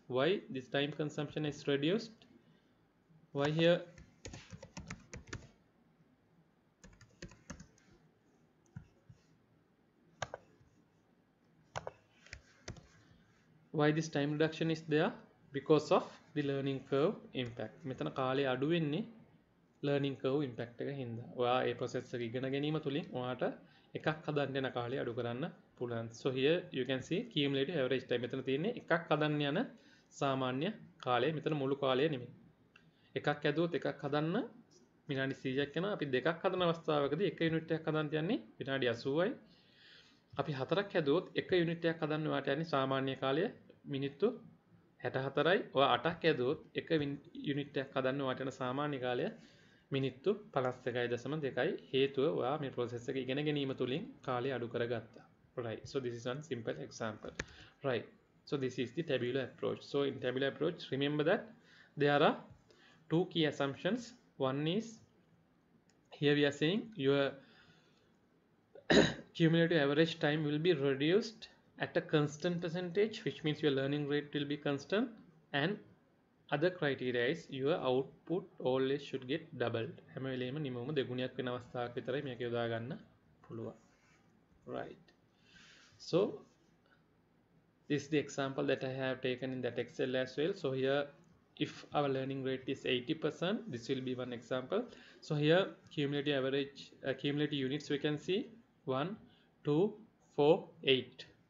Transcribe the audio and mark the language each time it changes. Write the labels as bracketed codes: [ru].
[en] Why this time consumption is reduced? Why here why this time reduction is there? Because of the learning curve impact. [si] මෙතන කාලය අඩු වෙන්නේ learning curve impact එක හින්දා. ඔයා ඒ process එක ඉගෙන ගැනීම තුලින් ඔයාට එකක් හදන්න යන කාලය අඩු කරන්න පුළුවන්. [en] So here you can see cumulative average time. [si] මෙතන තියෙන්නේ එකක් හදන්න යන සාමාන්‍ය කාලය. මෙතන මුළු කාලය නෙමෙයි. එකක් ඇදුවොත් එකක් හදන්න විනාඩි 100ක් යනවා. අපි දෙකක් හදන අවස්ථාවකදී එක unit එකක් හදන්න යන්නේ විනාඩි 80යි. අපි හතරක් ඇදුවොත් එක unit එකක් හදන්න ඔයාට යන්නේ සාමාන්‍ය කාලය මිනිත්තු 64යි. ඔයා අටක් ඇදුවොත් එක unit එකක් හදන්න ඔයාට යන සාමාන්‍ය කාලය මිනිත්තු 52.2 හේතුව ඔයා මේ process එක ඉගෙන ගැනීම තුලින් කාලය අඩු කරගත්තා. [en] Right. So this is one simple example. Right. So this is the tabular approach. So in tabular approach, remember that there are two key assumptions. One is here we are saying your cumulative average time will be reduced at a constant percentage, which means your learning rate will be constant. And other criteria is your output always should get doubled. [si] හැම වෙලෙම minimum දෙගුණයක් වෙන අවස්ථාවක් විතරයි මේක යොදා ගන්න පුළුවන්. [en] Right. So this is the example that I have taken in that Excel as well. So here, if our learning rate is 80%, this will be one example. So here, cumulative average, cumulative units, we can see 1, 2, 4, 8.